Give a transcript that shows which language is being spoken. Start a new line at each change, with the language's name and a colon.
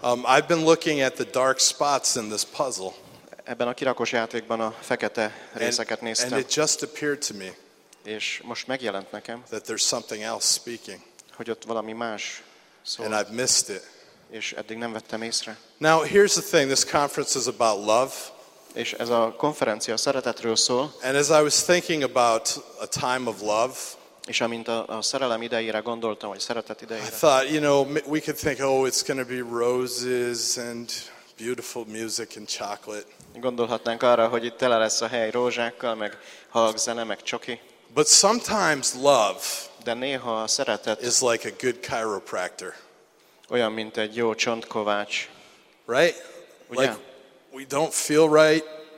English: I've been looking at the dark spots in this puzzle.
Hungarian: Ebben a kirakós játékban a fekete részeket néztem.
English: And it just appeared to me.
Hungarian: És most megjelent nekem.
English: That there's something else speaking.
Hungarian: Hogy ott valami más szól.
English: And I've missed it.
Hungarian: És eddig nem vettem észre.
English: Now, here's the thing. This conference is about love.
Hungarian: És ez a konferencia szeretetről szól.
English: And as I was thinking about a time of love,
Hungarian: és amint a szerelem idejére gondoltam, vagy szeretet idejére,
English: I thought, you know, we could think, oh, it's going to be roses and beautiful music and chocolate.
Hungarian: Gondolhatnánk arra, hogy itt tele lesz a hely rózsákkal, meg halagzene, meg csoki.
English: But sometimes love,
Hungarian: de néha a szeretet,
English: is like a good chiropractor.
Hungarian: Olyan, mint egy jó csontkovács.
English: Right?
Hungarian: Ugye?
English: Like, we don't feel right.